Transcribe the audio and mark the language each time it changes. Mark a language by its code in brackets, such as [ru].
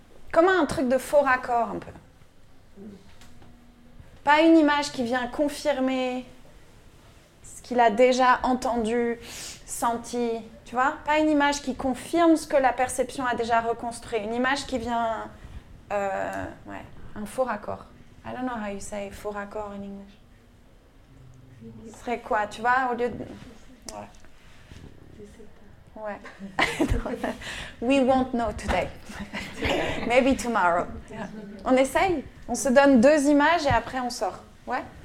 [fr] Comme un truc de faux raccord, un peu. Pas une image qui vient confirmer ce qu'il a déjà entendu, senti. Tu vois, pas une image qui confirme ce que la perception a déjà reconstruit. Une image qui vient... ouais, un faux raccord. [en] I don't know how you say faux raccord in English. [fr] Ce serait quoi, tu vois, au lieu de... [en] Ouais. We won't know today. Maybe tomorrow. [fr] On essaye. On se donne deux images et après on sort. Ouais.